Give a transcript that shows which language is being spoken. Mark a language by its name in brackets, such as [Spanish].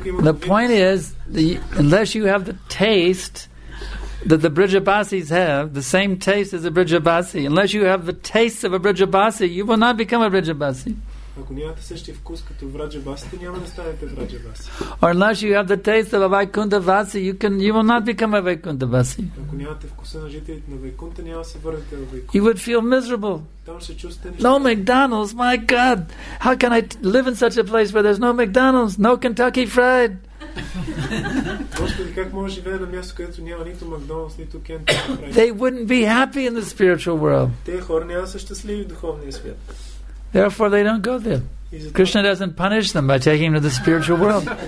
[English] The point is, unless you have the taste that the Brijabasis have, the same taste as a Brijabasi, unless you have the taste of a Brijabasi, you will not become a Brijabasi. [Bulgarian] Ако нямате същия вкус като враджабасите, няма да станете враджабаси. [English] Or unless you have the taste of a Vaikuntha Vasi, you will not become a Vaikuntha Vasi. [Bulgarian] Ако нямате вкуса на жителите на Вайкунта, няма да се върнете в Вайкунта. [English] You would feel miserable. [Bulgarian] Там се чувствате [English] нищо. No McDonald's, my God. How can I live in such a place where there's no McDonald's, no Kentucky Fried? [Bulgarian] Господи, как може да живее на място, където няма нито Макдоналдс, нито Кентъки Фрайд? [English] They wouldn't be happy in the spiritual world. [Bulgarian] Те хора няма са щастливи в духовния свят. [English] Therefore they don't go there. Krishna doesn't punish them by taking them to the spiritual world.